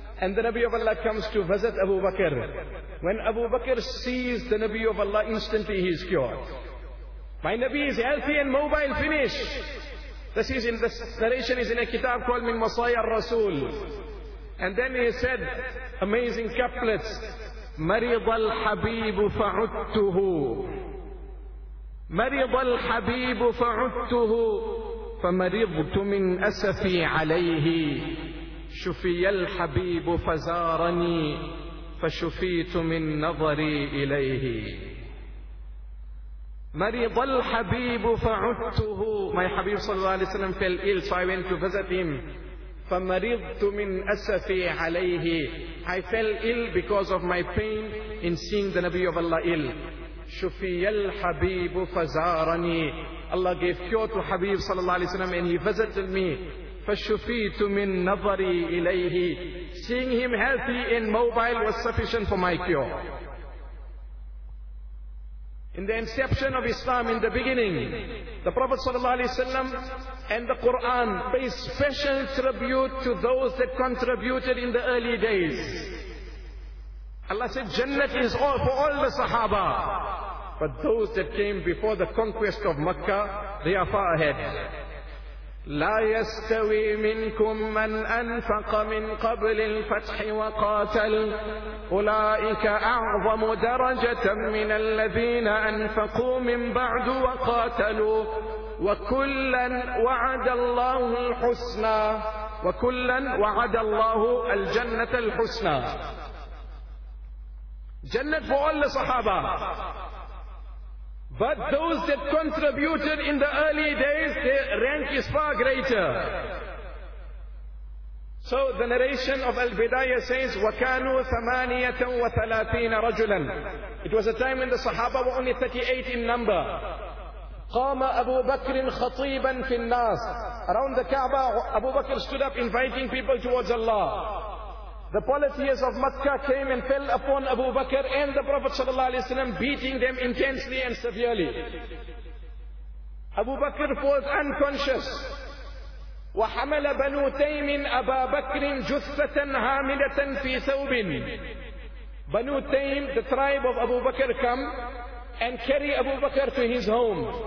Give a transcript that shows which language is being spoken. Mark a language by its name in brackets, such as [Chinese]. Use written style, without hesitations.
[English] And the Nabi of Allah comes to visit Abu Bakr. When Abu Bakr sees the Nabi of Allah, instantly he is cured. My Nabi is healthy and mobile, finish. This is in, this narration is in a kitab called Min Masaya al-Rasul. And then he said amazing couplets. [Arabic] مَرِضَ الْحَبِيبُ فَعُدْتُهُ مَرِضَ الْحَبِيبُ فَعُدْتُهُ فَمَرِضْتُ مِنْ أَسَفِي عَلَيْهِ شفي الحبيب فزارني فشفيت من نظري إليه مريض الحبيب فعدته. [English] My Habib sallallahu alayhi wa sallam fell ill, so I went to visit him. [Arabic] فمرضت من أسفي عليه. [English] I fell ill because of my pain in seeing the Nabi of Allah ill. [Arabic] شفي الحبيب فزارني. [English] Allah gave cure to Habib sallallahu alayhi wa sallam and he visited me. [Arabic] فَشُفِيتُ مِن نَظَرِي إِلَيْهِ. [English] Seeing him healthy and mobile was sufficient for my cure. In the inception of Islam, in the beginning, the Prophet ﷺ and the Quran pay special tribute to those that contributed in the early days. Allah said, Jannat is all for all the Sahaba. But those that came before the conquest of Makkah, they are far ahead. [Arabic] لا يستوي منكم من أنفق من قبل الفتح وقاتل أولئك أعظم درجة من الذين أنفقوا من بعد وقاتلوا وكلا وعد الله الحسنى وكلا وعد الله الجنة الحسنى. [English] جنة for all the Sahaba. But those that contributed in the early days, their rank is far greater. So the narration of Al-Bidayah says, [Arabic] وَكَانُوا ثَمَانِيَةً وَثَلَاثِينَ رَجُلًا. [English] It was a time when the Sahaba were only 38 in number. [Arabic] قَامَ أَبُو بَكْرٍ خَطِيبًا فِي النَّاسِ. [English] Around the Kaaba, Abu Bakr stood up inviting people towards Allah. The polytheists of Makkah came and fell upon Abu Bakr and the Prophet ﷺ, beating them intensely and severely. Abu Bakr falls unconscious. [Arabic] وَحَمَلَ بَنُو تَيْمٍ أَبَا بَكْرٍ جُثَّةً هَامِلَةً فِي ثَوْبٍ [English] Banu Taym, the tribe of Abu Bakr, come and carry Abu Bakr to his home.